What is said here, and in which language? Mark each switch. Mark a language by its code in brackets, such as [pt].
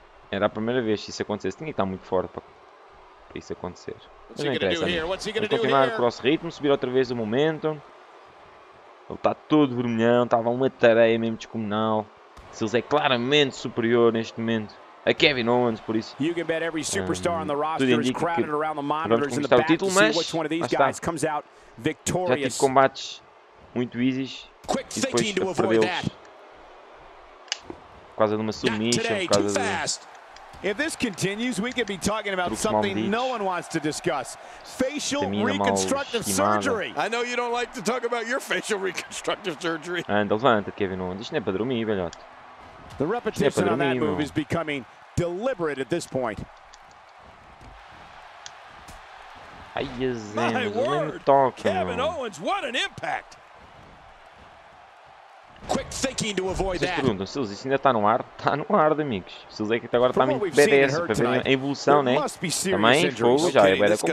[pt] Era a primeira vez que isso acontecesse. Tinha que estar muito forte para isso acontecer. Mas não interessa. Vamos continuar o cross ritmo, subir outra vez o momento. Ele está todo vermelhão. Estava uma tareia mesmo descomunal. Silas é claramente superior neste momento. A Kevin Owens, por isso. [en] You can bet every superstar on the roster is crowded around the monitors in the back to see which one of these guys comes out victorious. [pt] Já tive combates muito easy. [en] Quick thinking to avoid that. [pt] Por causa de uma submission, por causa de... [en] If this continues, we could be talking about something no one wants to discuss. Facial reconstructive surgery. I know you don't like to talk about your facial reconstructive surgery. [pt] Anda, levanta-te, Kevin Owens. Isto não é para dormir, velhote. [en] The repetition on that move is becoming deliberate at this point. My word! Kevin Owens, what an impact! Quick thinking to avoid that. [pt] Vocês perguntam, Silas, isso ainda está no ar? Está no ar, amigos. Silas é que até agora está meio BDS para ver a evolução, né? Também, fogo, já é beira com